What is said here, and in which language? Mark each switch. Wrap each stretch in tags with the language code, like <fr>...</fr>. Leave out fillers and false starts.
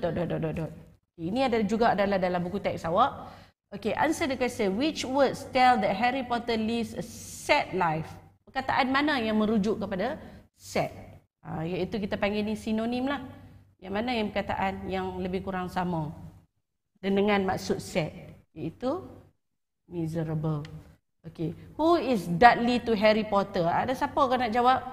<ms>Okay, ini ada juga adalah dalam buku teks awak.</ms> <en>Okay, answer the question. Which words tell that Harry Potter lives a sad life?</en> <ms>Perkataan mana yang merujuk kepada sad? Iaitu kita panggil ni sinonim lah. Yang mana yang perkataan yang lebih kurang sama dengan maksud sad, iaitu miserable.</ms> <en>Okay, who is Dudley to Harry Potter?</en> <ms>Ada siapa kau nak jawab?</ms>